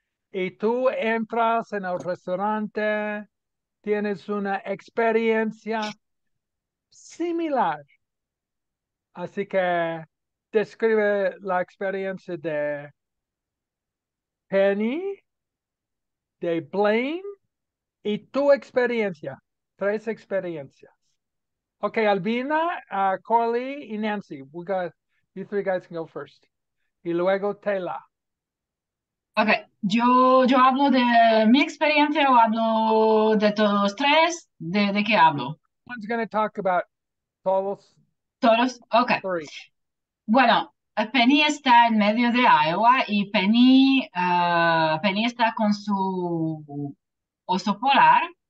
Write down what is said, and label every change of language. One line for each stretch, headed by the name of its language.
Spanish: Y tú entras en el restaurante, tienes una experiencia similar. Así que describe la experiencia de Penny, de Blaine y tu experiencia. Tres experiencias. Ok, Albina, Coralie y Nancy.
English: We got, you three guys can go first.
Spanish: Y luego Tela. Okay, yo hablo de mi experiencia o hablo de todos tres, ¿de qué hablo?
English: One's going to talk about
Spanish: todos Todos, okay.
English: three.
Spanish: Bueno, Penny está en medio de Iowa y Penny está con su oso polar.